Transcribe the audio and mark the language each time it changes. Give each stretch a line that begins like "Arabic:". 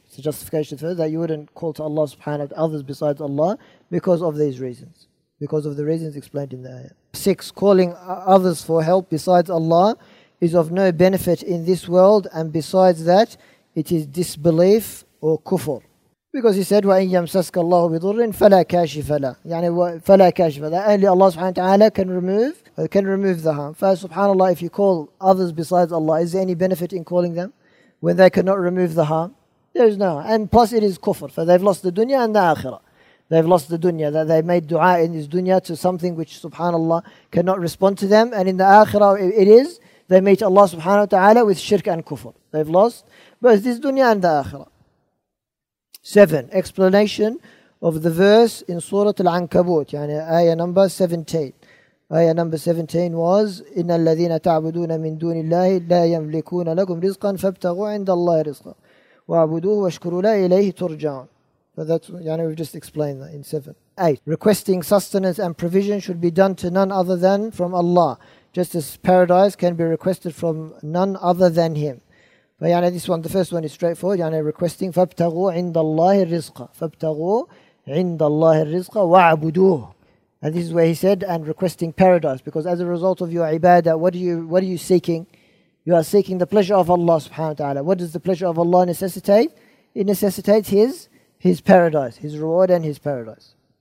English: It's a justification for that you wouldn't call to Allah subhanahu wa ta'ala, others besides Allah, because of these reasons. Because of the reasons explained in the ayah. 6, calling others for help besides Allah is of no benefit in this world, and besides that, it is disbelief or kufr. Because he said,
Arabic: وَإِنْ يَمْسَسْكَ اللَّهُ بِضُرٍ فَلَا كَاشِفَ لَهُ. يعني فَلَا كَاشِفَ لَهُ.
English: Only Allah subhanahu wa ta'ala can remove the harm. فَسُبْحَانَ اللَّهِ, if you call others besides Allah, is there any benefit in calling them when they cannot remove the harm? There is no harm. And plus it is kufr. For they've lost the dunya and the akhirah. They've lost the dunya. That they made dua in this dunya to something which subhanAllah cannot respond to them. And in the akhirah it is, they meet Allah subhanahu wa ta'ala with shirk and kufr. They've lost both this dunya and the akhirah. 7, explanation of the verse in Surah Al-Ankabut, yani ayah number 17. Ayah number 17 was,
Arabic: إِنَّ الَّذِينَ تَعْبُدُونَ مِن دُونِ اللَّهِ لَا يَمْلِكُونَ لَكُمْ رِزْقًا فَابْتَغُوا عِنْدَ اللَّهِ رِزْقًا وَعْبُدُوهُ وَشْكُرُوا لَا إِلَيْهِ تُرْجَعُونَ.
English: So that's, yani we've just explained that in 7. 8, requesting sustenance and provision should be done to none other than from Allah, just as paradise can be requested from none other than Him. But yani this one, the first one is straightforward. Yani requesting
Arabic: فَابْتَغُوا عِنْدَ اللَّهِ الرِّزْقَ. فَابْتَغُوا عِنْدَ اللَّهِ الرِّزْقَ وَعَبُدُوهُ.
English: And this is where he said, and requesting paradise, because as a result of your ibadah, what are you seeking? You are seeking the pleasure of Allah subhanahu wa ta'ala. What does the pleasure of Allah necessitate? It necessitates his paradise, his reward and his paradise.